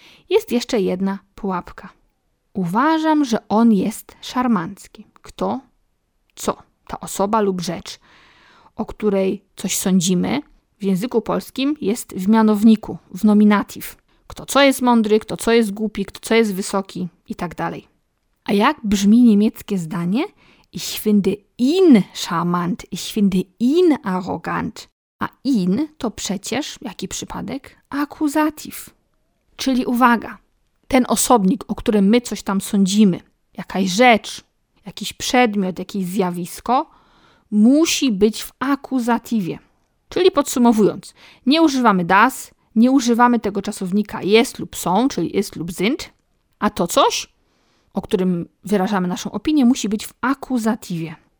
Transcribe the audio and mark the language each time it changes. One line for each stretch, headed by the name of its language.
Polish: Jest jeszcze jedna pułapka. Uważam, że on jest szarmancki. Kto? Co? Ta osoba lub rzecz, o której coś sądzimy, w języku polskim jest w mianowniku, w nominatyw. Kto co jest mądry, kto co jest głupi, kto co jest wysoki i tak dalej. A jak brzmi niemieckie zdanie?
German: Ich finde ihn charmant, ich finde ihn arrogant.
Polish: A ihn to przecież, jaki przypadek, akuzativ. Czyli uwaga, ten osobnik, o którym my coś tam sądzimy, jakaś rzecz, jakiś przedmiot, jakieś zjawisko, musi być w akuzatywie. Czyli podsumowując, nie używamy das, nie używamy tego czasownika jest lub są, czyli ist lub sind, a to coś, o którym wyrażamy naszą opinię, musi być w akuzatywie.